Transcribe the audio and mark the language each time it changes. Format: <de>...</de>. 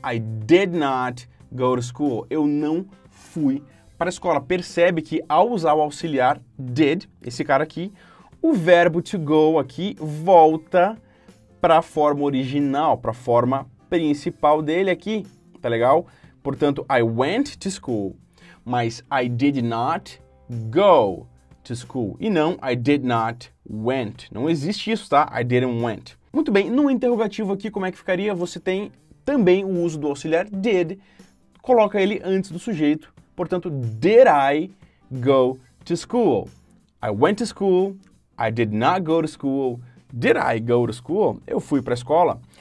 <en>I did not go to school.</en> <pt>Eu não fui para a escola. Percebe que ao usar o auxiliar did, esse cara aqui, o verbo to go aqui volta para a forma original, para a forma principal dele aqui, tá legal?</pt> <en>Portanto, I went to school, mas I did not go to school, e não I did not went.</en> <pt>Não existe isso, tá?</pt> <en>I didn't went.</en> <pt>Muito bem, no interrogativo aqui, como é que ficaria? Você tem também o uso do auxiliar did, coloca ele antes do sujeito.</pt> <en>Portanto, did I go to school? I went to school. I did not go to school. Did I go to school?</en> <pt>Eu fui para a escola.</pt>